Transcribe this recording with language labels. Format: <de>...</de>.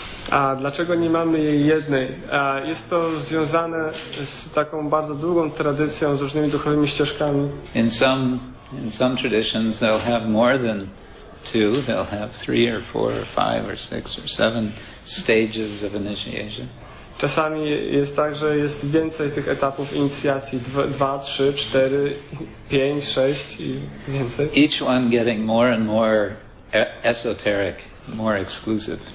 <pl>A dlaczego nie mamy jej jednej? Jest to związane z taką bardzo długą tradycją, z różnymi duchowymi ścieżkami.</pl> <en>In some traditions they'll have more than two, they'll have three or four or five or six or seven stages of initiation.</en> <pl>Czasami jest tak, że jest więcej tych etapów inicjacji, dwa, trzy, cztery, pięć, sześć i więcej.</pl> <en>Each one getting more and more esoteric, more exclusive.</en>